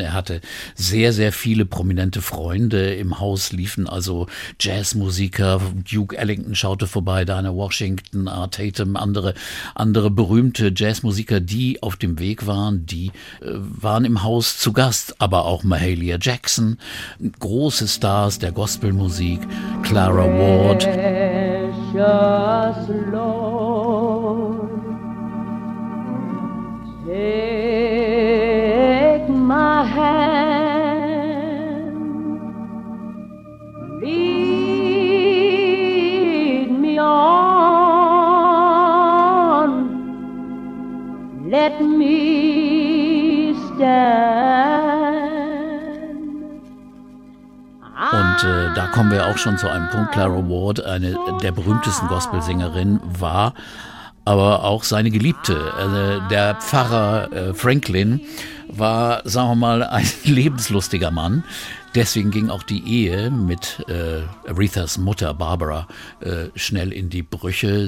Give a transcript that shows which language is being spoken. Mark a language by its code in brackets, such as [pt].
[de] Er hatte sehr, sehr viele prominente Freunde. Im Haus liefen also Jazzmusiker, Duke Ellington schaute vorbei, Dinah Washington, Art Tatum, andere berühmte Jazzmusiker, die auf dem Weg waren, die waren im Haus zu Gast, aber auch Mahalia Jackson, große Stars der Gospelmusik, Clara Ward. [en] Precious Lord, take my hand, lead me on, let me stand. [de] Und da kommen wir auch schon zu einem Punkt. Clara Ward, eine der berühmtesten Gospelsängerinnen, war aber auch seine Geliebte. Der Pfarrer Franklin war, sagen wir mal, ein lebenslustiger Mann. Deswegen ging auch die Ehe mit Arethas Mutter Barbara schnell in die Brüche.